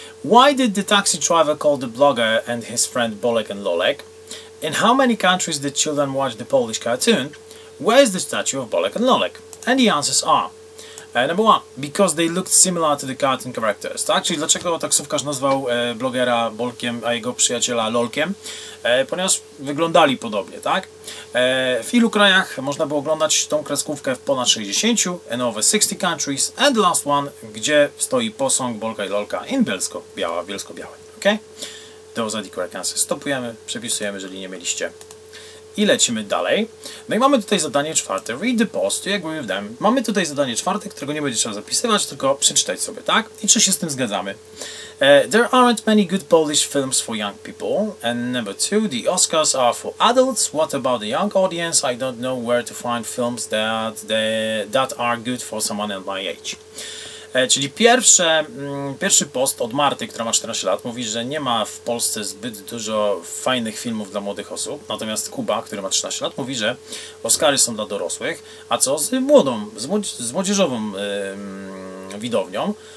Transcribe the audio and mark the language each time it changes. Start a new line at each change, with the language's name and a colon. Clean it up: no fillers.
English: Why did the taxi driver call the blogger and his friend Bolek and Lolek? In how many countries did children watch the Polish cartoon? Where is the statue of Bolek and Lolek? And the answers are... number one, because they looked similar to the cartoon characters.
Polish: Tak? Czyli dlaczego taksówkarz nazwał blogera Bolkiem, a jego przyjaciela Lolkiem? Ponieważ wyglądali podobnie, tak? W ilu krajach można było oglądać tą kreskówkę? W ponad 60,
English: in over 60 countries. And the last one,
Polish: gdzie stoi posąg Bolka i Lolka?
English: In Bielsko-Biała, Bielsko-Białe. Ok? Those are the correct answers.
Polish: Stopujemy, przepisujemy, jeżeli nie mieliście. I lecimy dalej. No i mamy tutaj zadanie czwarte.
English: Read the post,
Polish: jak mówię w dem. Mamy tutaj zadanie czwarte, którego nie będzie trzeba zapisywać, tylko przeczytać sobie, tak? I czy się z tym zgadzamy?
English: There aren't many good Polish films for young people. And number two, the Oscars are for adults. What about the young audience? I don't know where to find films that are good for someone at my age.
Polish: Czyli pierwszy post od Marty, która ma 14 lat, mówi, że nie ma w Polsce zbyt dużo fajnych filmów dla młodych osób. Natomiast Kuba, który ma 13 lat, mówi, że Oscary są dla dorosłych. A co z młodą, z młodzieżową widownią?